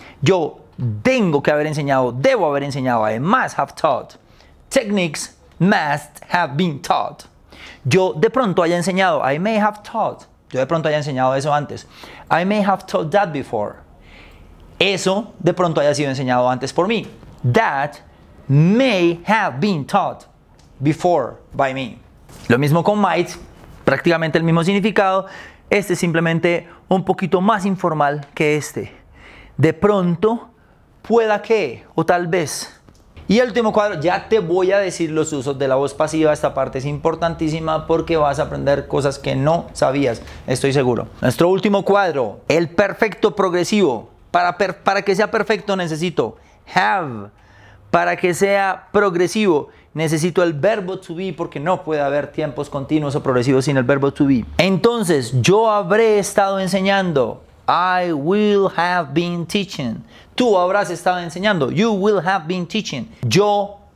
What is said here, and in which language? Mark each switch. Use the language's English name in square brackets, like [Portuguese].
[Spanish] Yo tengo que haber enseñado. Debo haber enseñado. [English] I must have taught. Techniques must have been taught. [Spanish] Yo de pronto haya enseñado. [English] I may have taught. [Spanish] Yo de pronto haya enseñado eso antes. [English] I may have taught that before. [Spanish] Eso de pronto haya sido enseñado antes por mí. [English] That may have been taught before by me. [Spanish] Lo mismo con might. Prácticamente el mismo significado. Este es simplemente un poquito más informal que este. De pronto, pueda que, o tal vez. Y el último cuadro, ya te voy a decir los usos de la voz pasiva. Esta parte es importantísima porque vas a aprender cosas que no sabías, estoy seguro. Nuestro último cuadro, el perfecto progresivo. Para que sea perfecto necesito have. Para que sea progresivo necesito el verbo to be porque no puede haber tiempos continuos o progresivos sin el verbo to be. Entonces, yo habré estado enseñando. [English] I will have been teaching. [Spanish] Tú habrás estado enseñando. [English] You will have been teaching. Yo